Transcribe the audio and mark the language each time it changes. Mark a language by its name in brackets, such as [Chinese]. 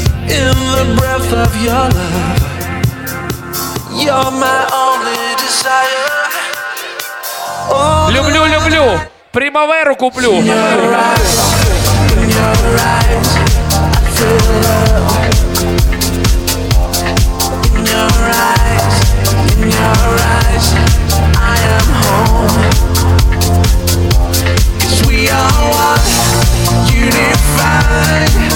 [English] In the breath of your love, you're my only desire. [Russian] All люблю, люблю, Примаверу куплю. [English] In your eyes, in your eyes, I feel love. In your eyes, in your eyes, I am home. 'Cause we are one, unified.